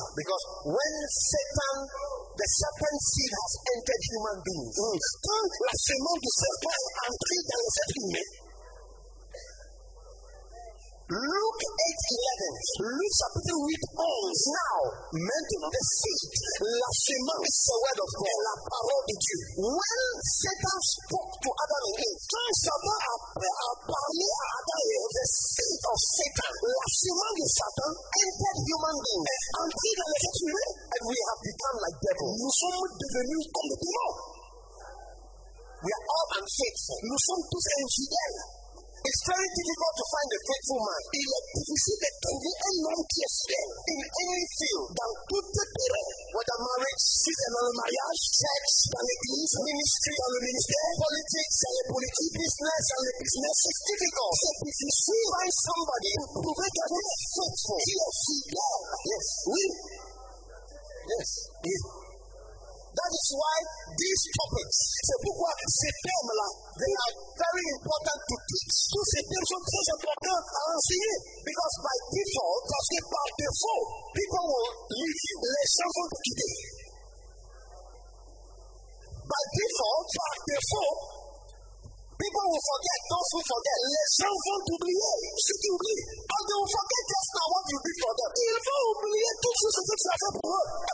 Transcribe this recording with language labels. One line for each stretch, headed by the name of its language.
English: Because when Satan, the serpent seed has entered human beings,
French: quand la semence du serpent est entrée dans les êtres humains,
English: Luke 8:11. Luke chapter 8, 11. Now,
French: maintenant,
English: the seed,
French: la semence,
English: is the word of God,
French: la parole de Dieu.
English: When Satan spoke to Adam and Eve,
French: quand Satan a parlé à Adam et Eve,
English: the seed of Satan,
French: la semence de Satan,
English: entered human beings,
French: entered dans les êtres humains,
English: and we have become like devils.
French: Nous sommes devenus comme des démons.
English: We are all unfaithful.
French: Nous sommes tous infidèles.
English: It's very difficult to find a faithful man.
French: Il est difficile de trouver un homme qui est fidèle
English: in any field,
French: dans tout terrain,
English: whether marriage,
French: si c'est dans le mariage,
English: sex,
French: dans l'église,
English: ministry,
French: dans le ministère,
English: politics,
French: dans les politiques,
English: business,
French: dans les business.
English: It's difficult.
French: C'est difficile.
English: Find somebody to prove that you are faithful.
French: Qui est fidèle.
English: Yes.
French: Oui.
English: Yes. That That is why these topics,
French: c'est pourquoi ces thèmes là,
English: they are very important to teach.
French: Tous ces thèmes sont très importants à enseigner.
English: Because by default,
French: parce que par défaut,
English: people will leave you.
French: Les gens vont te quitter.
English: By default,
French: par défaut,
English: people will forget. Those who forget,
French: les gens vont oublier. Ceux qui oublient,
English: but they will forget just now what you did for them.
French: Ils vont oublier tout ce que tu as fait pour eux.